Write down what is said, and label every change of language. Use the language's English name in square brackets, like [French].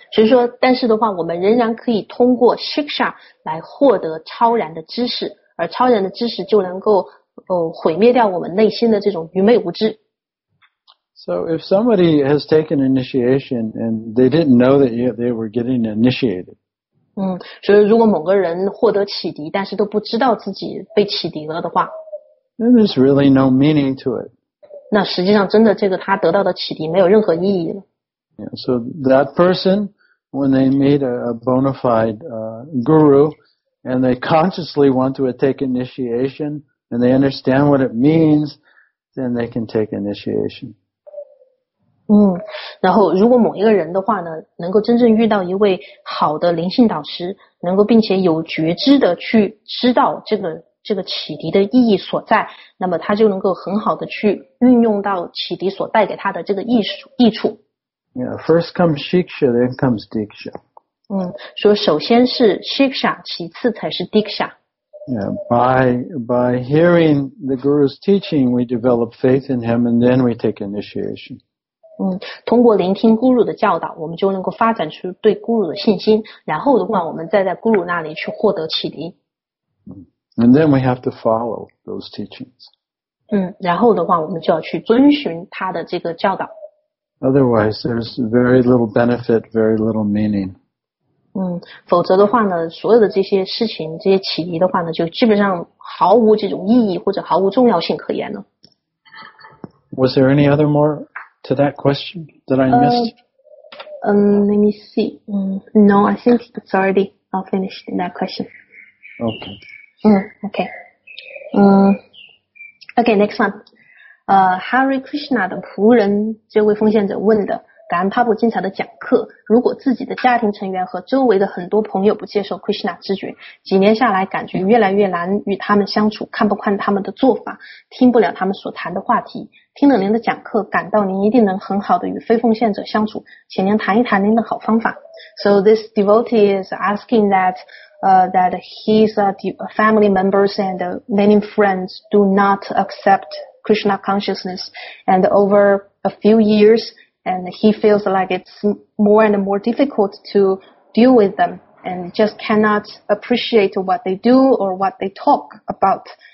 [Chinese] 所以说，但是的话，我们仍然可以通过 shiksha 来获得超然的知识，而超然的知识就能够毁灭掉我们内心的这种愚昧无知。 [English] So if somebody has taken initiation and they didn't know that they were getting initiated. [Chinese] 所以如果某个人获得启迪，但是都不知道自己被启迪了的话 [English] ，then there's really no meaning to it. [Chinese] 那实际上，真的这个他得到的启迪没有任何意义了。 [English] So that person, when they meet a bona fide guru, and they consciously want to take initiation, and they understand what it means, then they can take initiation. [Chinese] 然后如果某一个人的话呢，能够真正遇到一位好的灵性导师，能够并且有觉知的去知道这个启迪的意义所在，那么他就能够很好的去运用到启迪所带给他的这个益处。 [English] Yeah, first comes shiksha, then comes diksha. [Chinese] 所以首先是 shiksha, 其次才是 diksha. [English] Yeah, by hearing the guru's teaching, we develop faith in him, and then we take initiation. [Chinese] 通过聆听 guru 的教导，我们就能够发展出对 guru 的信心，然后的话，我们再在 guru 那里去获得启迪。 [English] And then we have to follow those teachings. [Chinese] 然后的话，我们就要去遵循他的这个教导。 [English] Otherwise, there's very little benefit, very little meaning. [Chinese] 否则的话呢，所有的这些事情，这些启迪的话呢，就基本上毫无这种意义或者毫无重要性可言了。 [English] Was there any other more to that question that I missed? Let me see. No, I think it's already finished that question. Okay. Okay. Okay, next one. [Chinese] Hare Krishna 的仆人这位奉献者问的，感恩帕布精彩的讲课，如果自己的家庭成员和周围的很多朋友不接受 Krishna 知觉，几年下来感觉越来越难与他们相处，看不惯他们的做法，听不了他们所谈的话题，听了您的讲课感到您一定能很好的与非奉献者相处，请您谈一谈您的好方法。 [English] So this devotee is asking thatthat his family members and many friends do not acceptKrishna consciousness, and over a few years, and he feels like it's more and more difficult to deal with them, and just cannot appreciate what they do or what they talk about.